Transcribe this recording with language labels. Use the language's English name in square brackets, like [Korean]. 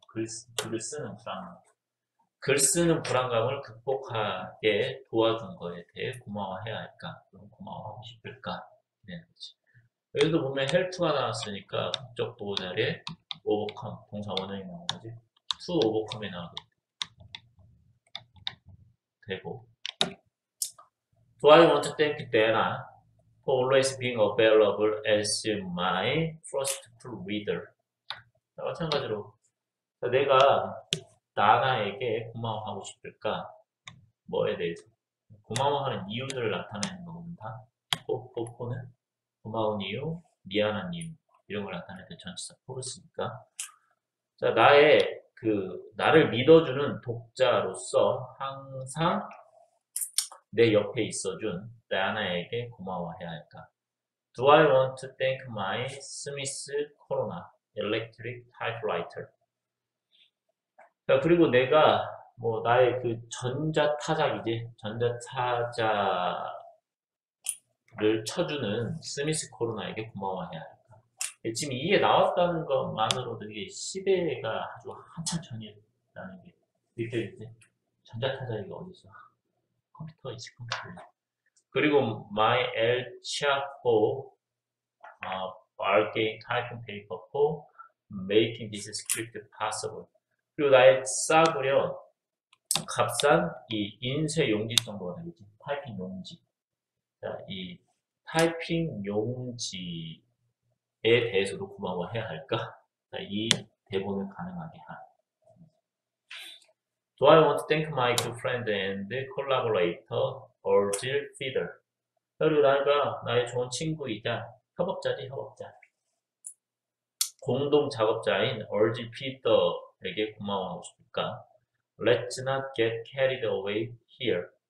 [Korean] 글 쓰는 불안감. 글 쓰는 불안감을 극복하게 도와준 거에 대해 고마워해야 할까? 그럼 고마워하고 싶을까? 이런 거지. 여기도 보면 헬프가 나왔으니까 목적 보호자리에 오버컴 동사 원형이 나온 거지. 투 오버컴이 나오고 되고. [English] Do I want to thank Dana for always being available as my first proofreader? [Korean] 마찬가지로 내가 나나에게 고마워하고 싶을까? 뭐에 대해서? 고마워하는 이유들을 나타내는 거거든요. 포포포는 고마운 이유, 미안한 이유 이런 걸 나타낼 때 전치사 포르스니까. 자, 나를 믿어주는 독자로서 항상 내 옆에 있어준 다나에게 고마워해야 할까? [English] Do I want to thank my Smith Corona electric typewriter? [Korean] 자, 그리고 내가 뭐 나의 그 전자타자이지, 전자타자를 쳐주는 스미스 코로나에게 고마워해야 할까? 지금 이게 나왔다는 것만으로도 이게 시대가 아주 한참 전이었다는 게 느껴지지? 전자타자 이게 어디서? 컴퓨터 있지, 컴퓨터. 그리고 [English] my El Chapo bargain typing paper for making this script possible. [Korean] 그리고 나의 싸구려 값싼 이 인쇄 용지 정도가 되겠지. 타이핑 용지. 자, 이 타이핑 용지에 대해서도 고마워해야 할까? 자, 이 대본을 가능하게 한. [English] Do I want to thank my good friend and collaborator, Orville Fiddler? [Korean] 그리고 나가 나의 좋은 친구이자 협업자지, 협업자. 공동 작업자인 얼지 피터에게 고마워하고 싶을까? [English] Let's not get carried away here.